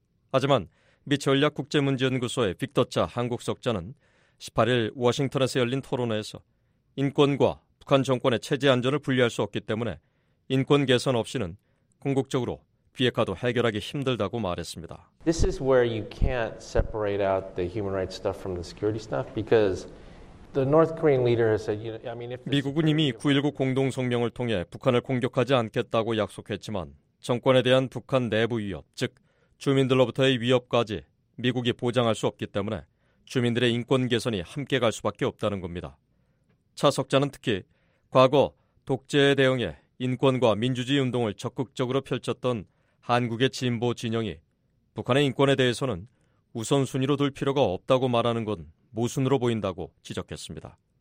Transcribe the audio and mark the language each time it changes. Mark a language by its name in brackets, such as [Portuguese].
[Korean] 하지만 미 전략국제문제연구소의 빅터 차 한국 석좌는 18일 워싱턴에서 열린 토론회에서 인권과 북한 정권의 체제 안전을 분리할 수 없기 때문에 인권 개선 없이는 궁극적으로 비핵화도 해결하기 힘들다고 말했습니다. [English] This is where you can't separate out the human rights stuff from the security stuff because the North Korean leader has said, I mean, if [Korean] 미국은 이미 9.19 공동 성명을 통해 북한을 공격하지 않겠다고 약속했지만 정권에 대한 북한 내부 위협, 즉 주민들로부터의 위협까지 미국이 보장할 수 없기 때문에 주민들의 인권 개선이 함께 갈 수밖에 없다는 겁니다. 차 석자는 특히 과거 독재에 대응해 인권과 민주주의 운동을 적극적으로 펼쳤던 한국의 진보 진영이 북한의 인권에 대해서는 우선순위로 둘 필요가 없다고 말하는 건 모순으로 보인다고 지적했습니다.